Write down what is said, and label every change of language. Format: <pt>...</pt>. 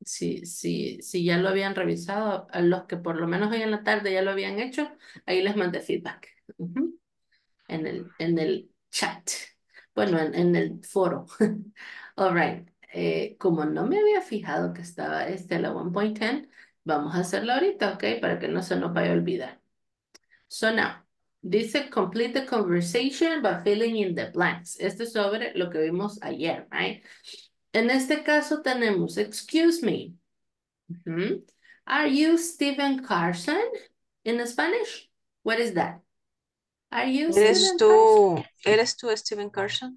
<es>Sí, ya lo habían revisado, a los que por lo menos hoy en la tarde ya lo habían hecho, ahí les mandé feedback. En el chat. Bueno, en el foro.</es> <en>All right.</en> <es>Como no me había fijado que estaba este a la 1.10, vamos a hacerlo ahorita, ¿ok? Para que no se nos vaya a olvidar.</es> <en>So now, dice complete the conversation by filling in the blanks.</en> <es>Este es sobre lo que vimos ayer, right? En este caso tenemos,</es> <en>excuse me. Are you Steven Carson in Spanish? What is that? Are you</en> <es>¿Eres Steven Carson? tú? ¿Eres tú, Steven Carson?</es>